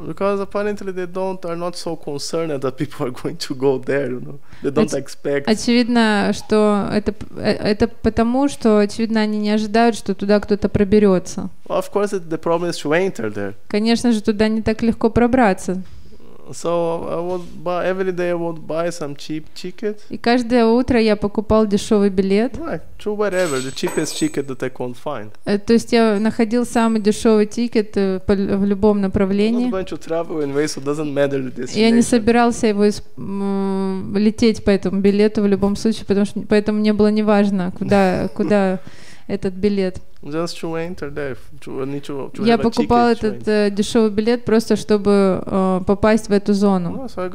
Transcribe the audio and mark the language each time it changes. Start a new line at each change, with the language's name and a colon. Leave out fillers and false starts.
English: Because apparently they don't are not so concerned that people are going to go there, you know. They don't expect.
Russian: Очевидно, что это потому, что очевидно, они не ожидают, что туда кто-то проберется.
English: Well, of course the problem is to enter there.
Russian: Конечно же, туда не так легко пробраться.
English: So every day I would buy some cheap ticket.
Russian: И каждое утро я покупал дешевый билет.
English: Right, to wherever, the cheapest ticket that I could find.
Russian: То есть я находил самый дешевый тикет в любом направлении.
English: I'm not going to travel in ways, so it doesn't matter the destination.
Russian: Я не собирался его лететь по этому билету в любом случае, потому что поэтому мне было не важно, куда этот билет.
English: Just to enter there, to
Russian: я покупал этот дешевый билет просто чтобы попасть в эту зону.